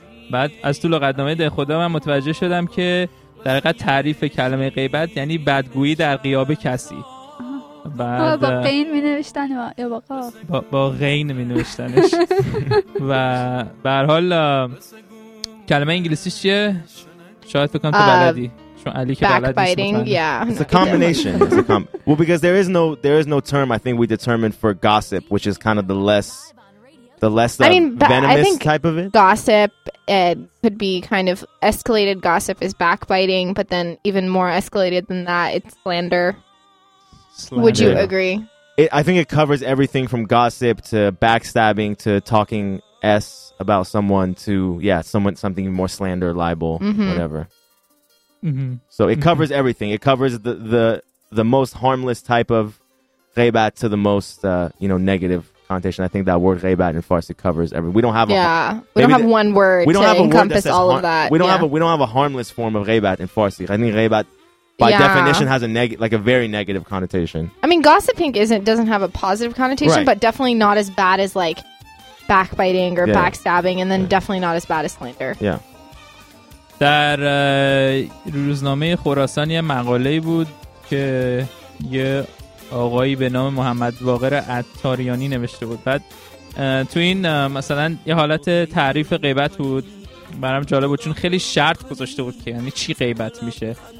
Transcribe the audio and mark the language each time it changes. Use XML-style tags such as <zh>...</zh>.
<fa>بعد از تو لغتنامه ده خدا من متوجه شدم که در حقیقت تعریف کلمه غیبت یعنی بدگویی در غیاب کسی. بعد با غین می نوشتن یا با قاف؟ با غین می نوشتنش. و به هر حال کلمه انگلیسیش چیه؟ شاید بکنم تو بلدی.</fa> <en>Backbiting, yeah. It's a combination. Well, because there is no term. I think we determined for gossip, which is kind of the less venomous type of it. Gossip, it could be kind of escalated. Gossip is backbiting, but then even more escalated than that, it's slander. Would you agree? I think it covers everything from gossip to backstabbing to talking s about someone to something more slander, libel, whatever. Mm-hmm. So it covers everything. It covers the most harmless type of ghaibat to the most negative connotation. I think that word ghaibat in Farsi covers everything. We don't have one word we don't to have encompass word all of that. We don't have a harmless form of ghaibat in Farsi. I think ghaibat by definition has a very negative connotation. I mean, gossiping doesn't have a positive connotation, right, but definitely not as bad as like backbiting or backstabbing, and then definitely not as bad as slander. Yeah.</en> <fa>در روزنامه خراسان یه مقاله بود که یه آقایی به نام محمد باقر عطاریانی نوشته بود. بعد تو این مثلا یه حالت تعریف غیبت بود، برام جالب بود چون خیلی شرط گذاشته بود که یعنی چی غیبت میشه.</fa>